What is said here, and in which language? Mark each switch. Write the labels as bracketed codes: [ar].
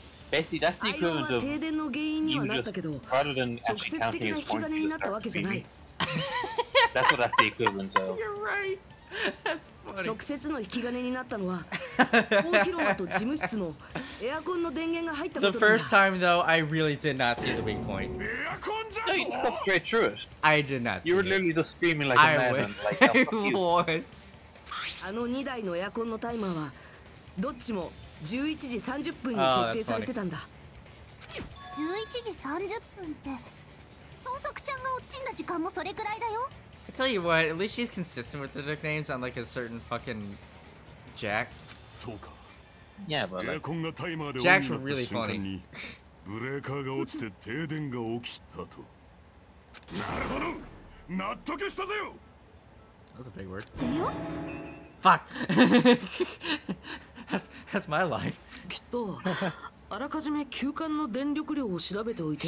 [en] Basically, that's the equivalent of you just rather than actually counting his points, you just start speeding. That's what that's the equivalent of. You're right. That's funny. [ja] 直接の引き金になったのは大広間と事務室のエアコンの電源が入ったことだ。 [en] The first time though, I really did not see the weak point. No, you just got straight through it. I did not. You were literally just screaming like a madman. I was. [ja] あの2台のエアコンのタイマーはどっちも11時30分に設定されてたんだ。 11時30分って、トンソクちゃんが落ちんだ時間もそれくらいだよ。 [en] I tell you what, at least she's consistent with the nicknames on like a certain fucking Jack. Yeah, but like, Jack's really funny. [ja] ブレーカーが落ちて停電が起きたと。なるほど、納得したぜよ。 [en] That's a big word. Fuck. that's my life. [ja] きっとあらかじめ休館の電力量を調べておいて。